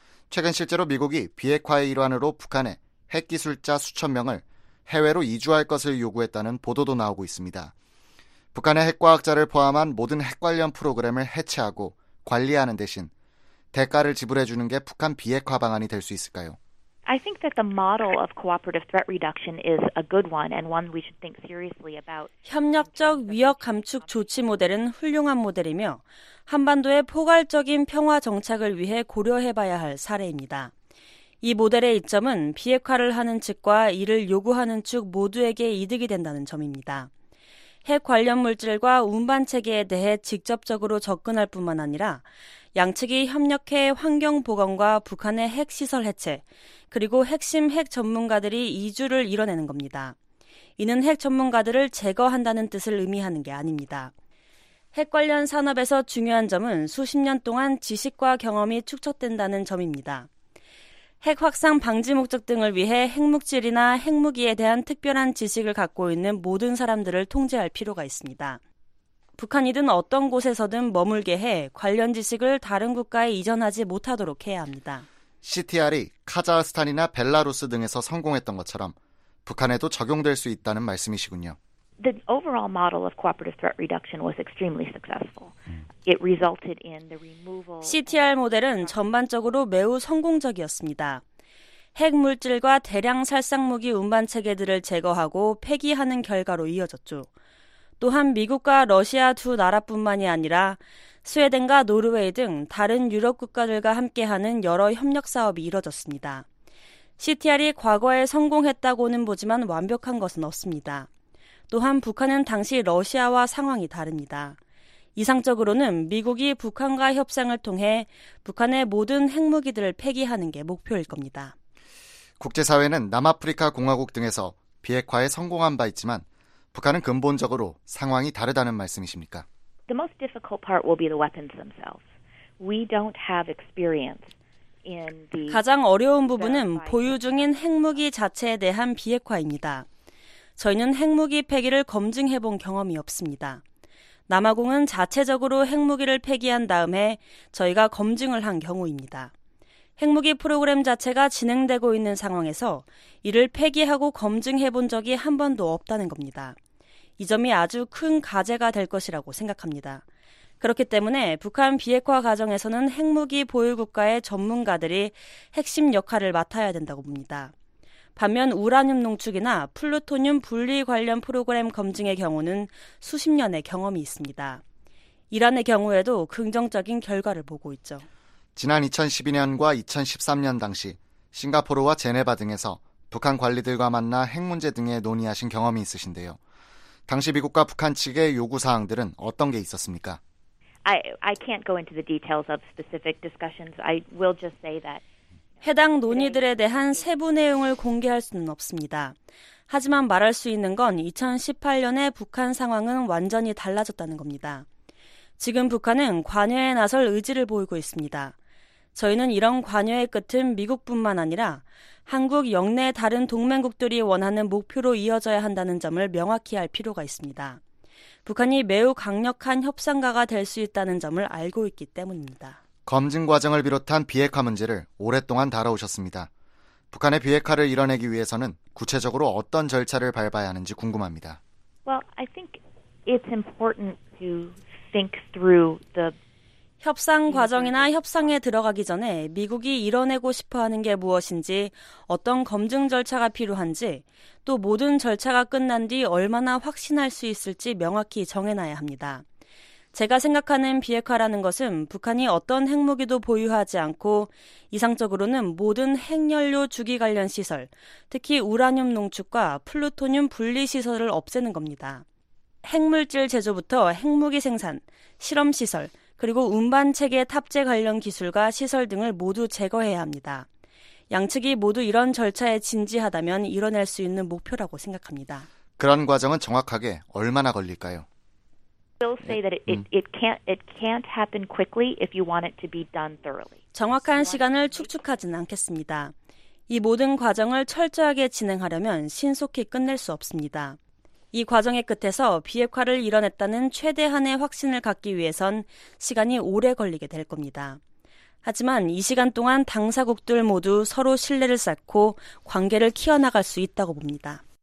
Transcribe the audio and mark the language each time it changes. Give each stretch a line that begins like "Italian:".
Korean: 최근 실제로 미국이 비핵화의 일환으로 북한에 핵기술자 수천 명을 해외로 이주할 것을 요구했다는 보도도 나오고 있습니다. 북한의 핵과학자를 포함한 모든 핵 관련 프로그램을 해체하고 관리하는 대신 대가를 지불해주는 게 북한 비핵화 방안이 될 수 있을까요?
English: I think that the model of cooperative threat reduction is a good one and one we should think seriously about.
Korean: 협력적 위협 감축 조치 모델은 훌륭한 모델이며 한반도의 포괄적인 평화 정착을 위해 고려해봐야 할 사례입니다. 이 모델의 이점은 비핵화를 하는 측과 이를 요구하는 측 모두에게 이득이 된다는 점입니다. 핵 관련 물질과 운반 체계에 대해 직접적으로 접근할 뿐만 아니라 양측이 협력해 환경 보건과 북한의 핵 시설 해체, 그리고 핵심 핵 전문가들이 이주를 이뤄내는 겁니다. 이는 핵 전문가들을 제거한다는 뜻을 의미하는 게 아닙니다. 핵 관련 산업에서 중요한 점은 수십 년 동안 지식과 경험이 축적된다는 점입니다. 핵 확산 방지 목적 등을 위해 핵물질이나 핵무기에 대한 특별한 지식을 갖고 있는 모든 사람들을 통제할 필요가 있습니다. 북한이든 어떤 곳에서든 머물게 해 관련 지식을 다른 국가에 이전하지 못하도록 해야 합니다. CTR이 카자흐스탄이나 벨라루스 등에서 성공했던 것처럼 북한에도 적용될 수 있다는 말씀이시군요.
English: The overall model of cooperative threat reduction was extremely successful. It resulted in the removal.
Korean: CTR 모델은 전반적으로 매우 성공적이었습니다. 핵물질과 대량 살상무기 운반 체계들을 제거하고 폐기하는 결과로 이어졌죠. 또한 미국과 러시아 두 나라뿐만이 아니라 스웨덴과 노르웨이 등 다른 유럽 국가들과 함께하는 여러 협력 사업이 이뤄졌습니다. CTR이 과거에 성공했다고는 보지만 완벽한 것은 없습니다. 또한 북한은 당시 러시아와 상황이 다릅니다. 이상적으로는 미국이 북한과 협상을 통해 북한의 모든 핵무기들을 폐기하는 게 목표일 겁니다. 국제사회는 남아프리카 공화국 등에서 비핵화에 성공한 바 있지만 북한은 근본적으로 상황이 다르다는 말씀이십니까?
English: The most difficult part will be the weapons themselves. We don't have experience.
Korean: 가장 어려운 부분은 보유 중인 핵무기 자체에 대한 비핵화입니다. 저희는 핵무기 폐기를 검증해본 경험이 없습니다. 남아공은 자체적으로 핵무기를 폐기한 다음에 저희가 검증을 한 경우입니다. 핵무기 프로그램 자체가 진행되고 있는 상황에서 이를 폐기하고 검증해본 적이 한 번도 없다는 겁니다. 이 점이 아주 큰 과제가 될 것이라고 생각합니다. 그렇기 때문에 북한 비핵화 과정에서는 핵무기 보유국가의 전문가들이 핵심 역할을 맡아야 된다고 봅니다. 반면 우라늄 농축이나 플루토늄 분리 관련 프로그램 검증의 경우는 수십 년의 경험이 있습니다. 이란의 경우에도 긍정적인 결과를 보고 있죠. 지난 2012년과 2013년 당시 싱가포르와 제네바 등에서 북한 관리들과 만나 핵 문제 등에 논의하신 경험이 있으신데요. 당시 미국과 북한 측의 요구사항들은 어떤 게 있었습니까?
English: I can't go into the details of specific discussions. I will just say that
Korean: 해당 논의들에 대한 세부 내용을 공개할 수는 없습니다. 하지만 말할 수 있는 건 2018년에 북한 상황은 완전히 달라졌다는 겁니다. 지금 북한은 관여에 나설 의지를 보이고 있습니다. 저희는 이런 관여의 끝은 미국뿐만 아니라 한국 영내 다른 동맹국들이 원하는 목표로 이어져야 한다는 점을 명확히 할 필요가 있습니다. 북한이 매우 강력한 협상가가 될 수 있다는 점을 알고 있기 때문입니다. 검증 과정을 비롯한 비핵화 문제를 오랫동안 다뤄오셨습니다. 북한의 비핵화를 이뤄내기 위해서는 구체적으로 어떤 절차를 밟아야 하는지 궁금합니다.
English: Well, I think it's important to think through the
Korean: 협상 과정이나 협상에 들어가기 전에 미국이 이뤄내고 싶어하는 게 무엇인지, 어떤 검증 절차가 필요한지, 또 모든 절차가 끝난 뒤 얼마나 확신할 수 있을지 명확히 정해놔야 합니다. 제가 생각하는 비핵화라는 것은 북한이 어떤 핵무기도 보유하지 않고 이상적으로는 모든 핵연료 주기 관련 시설, 특히 우라늄 농축과 플루토늄 분리 시설을 없애는 겁니다. 핵물질 제조부터 핵무기 생산, 실험시설, 그리고 운반체계 탑재 관련 기술과 시설 등을 모두 제거해야 합니다. 양측이 모두 이런 절차에 진지하다면 이뤄낼 수 있는 목표라고 생각합니다. 그런 과정은 정확하게 얼마나 걸릴까요?
English: We'll say that it can't happen quickly if you want it to be done thoroughly.
Korean: 정확한 시간을 축축하진 않겠습니다. 이 모든 과정을 철저하게 진행하려면 신속히 끝낼 수 없습니다. 이 과정의 끝에서 비핵화를 이뤄냈다는 최대한의 확신을 갖기 위해선 시간이 오래 걸리게 될 겁니다. 하지만 이 시간 동안 당사국들 모두 서로 신뢰를 쌓고 관계를 키워나갈 수 있다고 봅니다.